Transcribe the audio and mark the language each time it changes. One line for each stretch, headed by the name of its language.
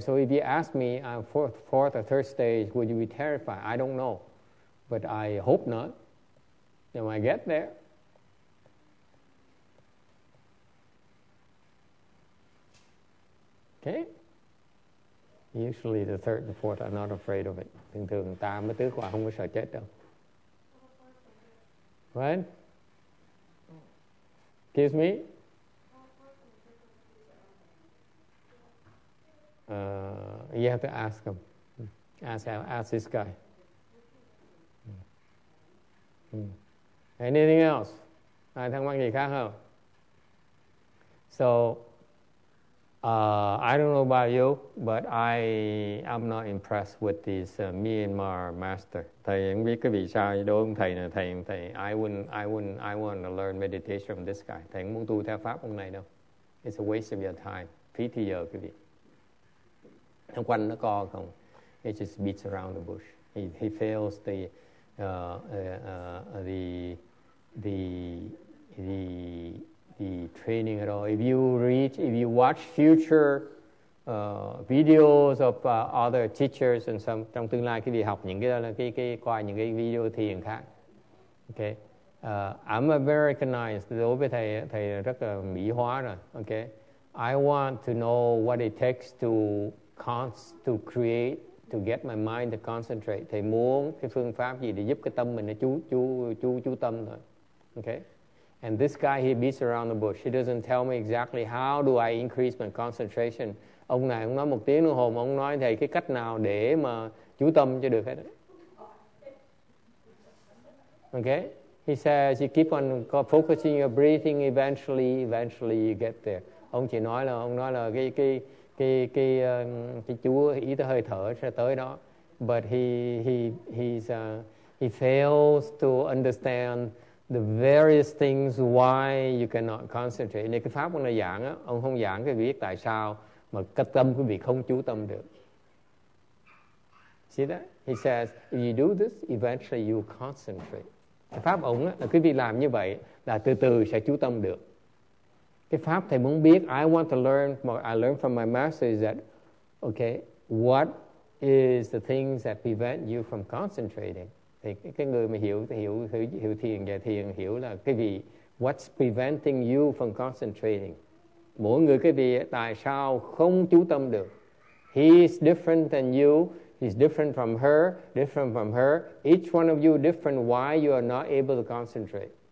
English: So if you ask me, fourth or third stage, would you be terrified? I don't know, but I hope not. Then when I get there. Okay. Usually the third and fourth are not afraid of it.
Vietnamese: Thường thường tam với tứ quả không có sợ chết đâu.
English: Right? Excuse me. You have to ask him. Ask this guy. Anything else?
Vietnamese: Ai thắc mắc gì khác không?
English: So, I don't know about you, but I'm not impressed with this Myanmar master.
Vietnamese: Thầy không biết cái vị sao đối với thầy này.
English: Thầy, I want to learn meditation from this guy.
Vietnamese: Thầy không muốn tu theo pháp ông này đâu.
English: It's a waste of your time.
Vietnamese: Phí thì giờ quý vị. Không quanh nó co không.
English: It just beats around the bush. He fails the training at all. If you watch future videos of other teachers and some
Vietnamese: trong tương lai cái việc học những cái coi những cái video thiền khác. Okay.
English: I'm Americanized.
Vietnamese: Đối với thầy rất là Mỹ hóa rồi.
English: Okay. I want to know what it takes to get my mind to concentrate.
Vietnamese: Thầy muốn cái phương pháp gì để giúp cái tâm mình nó chú tâm thôi.
English: Okay. And this guy, he beats around the bush. He doesn't tell me exactly how do I increase my concentration.
Vietnamese: Ông này, ông nói một tiếng đồng hồ, mà ông nói thầy cái cách nào để mà chú tâm cho được hết.
English: Okay. He says, you keep on focusing your breathing, eventually you get there.
Vietnamese: Ông nói là cái chú ý tới hơi thở sẽ tới đó.
English: But he fails to understand the various things why you cannot concentrate.
Vietnamese: Nên cái pháp ông này giảng á, ông không giảng cái biết tại sao mà cái tâm quý vị không chú tâm được.
English: See that? He says, if you do this, eventually you concentrate.
Vietnamese: Cái pháp ông á, quý vị làm như vậy là từ từ sẽ chú tâm được. Cái pháp thầy muốn biết,
English: I want to learn, I learn from my master is that, okay, what is the things that prevent you from concentrating?
Vietnamese: Thì cái người mà hiểu thiền, và thiền hiểu là cái gì,
English: what's preventing you from concentrating?
Vietnamese: Mỗi người cái gì, tại sao không chú tâm được?
English: He is different than you, he's different from her, different from her. Each one of you different, why you are not able to concentrate?